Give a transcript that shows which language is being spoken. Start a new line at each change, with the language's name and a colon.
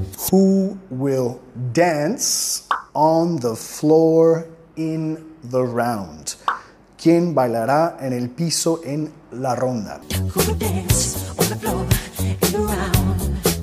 English: Who will dance on the floor in the round?
Spanish: ¿Quién bailará en el piso en la ronda?
English: Who will dance on the floor in the round?